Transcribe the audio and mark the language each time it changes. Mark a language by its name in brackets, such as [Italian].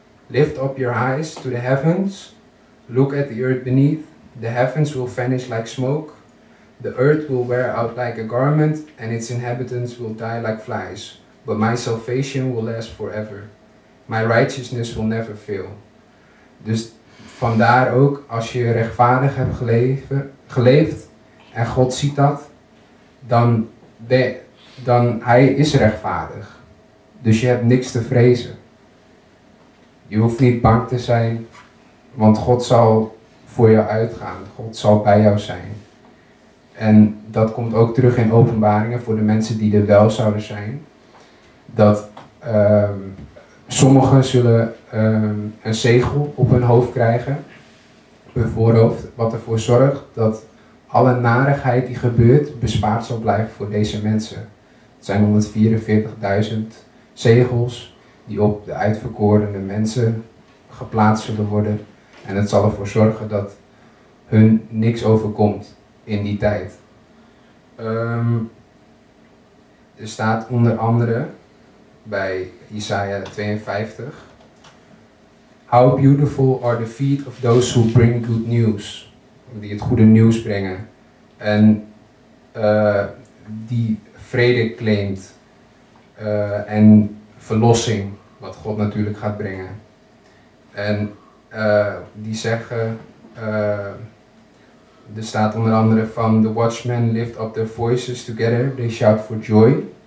[English] Lift up your eyes to the heavens, look at the earth beneath, the heavens will vanish like smoke, the earth will wear out like a garment, and its inhabitants will die like flies, but my salvation will last forever. My righteousness will never fail. [Dutch] Dus vandaar ook, als je rechtvaardig hebt geleefd en God ziet dat, dan hij is rechtvaardig. Dus je hebt niks te vrezen. Je hoeft niet bang te zijn, want God zal voor jou uitgaan. God zal bij jou zijn. En dat komt ook terug in openbaringen voor de mensen die er wel zouden zijn. Dat sommigen zullen een zegel op hun hoofd krijgen, hun voorhoofd, wat ervoor zorgt dat alle narigheid die gebeurt bespaard zal blijven voor deze mensen. Het zijn 144.000 zegels die op de uitverkorene mensen geplaatst zullen worden. En het zal ervoor zorgen dat hun niks overkomt in die tijd. Er staat onder andere bij Isaiah 52. [English] How beautiful are the feet of those who bring good news. [Dutch] Die het goede nieuws brengen. En die vrede claimt. En verlossing. Wat God natuurlijk gaat brengen. En die zeggen, er staat onder andere van, [English] the watchmen lift up their voices together, they shout for joy.